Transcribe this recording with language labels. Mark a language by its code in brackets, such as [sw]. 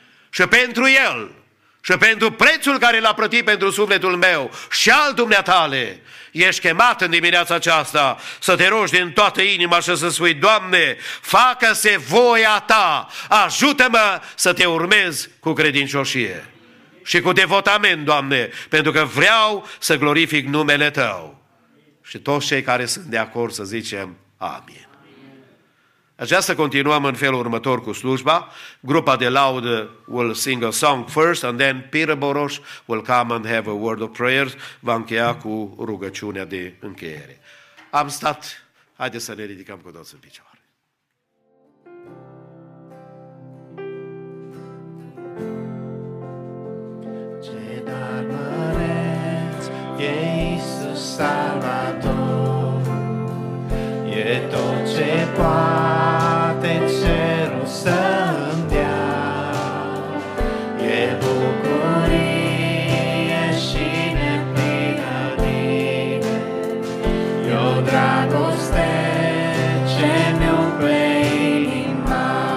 [ro] Și pentru El, și pentru prețul care l-a plătit pentru sufletul meu și al dumneatale, ești chemat în dimineața aceasta să te rogi din toată inima și să spui, Doamne, facă-se voia Ta, ajută-mă să Te urmez cu credincioșie și cu devotament, Doamne, pentru că vreau să glorific numele Tău. Și toți cei care sunt de acord să zicem, amin. Aș vrea să continuăm în felul următor cu slujba. Grupa de laudă [en] will sing a song first and then Peter Boroș will come and have a word of prayers. [ro] Va încheia cu rugăciunea de încheiere. Am stat. Haideți să ne ridicăm cu toți în picioare. Ce dar măreț e Iisus Salvator, e tot ce poate cerul să-mi dea, e bucurie și neplină din, e o dragoste ce mi umple inima.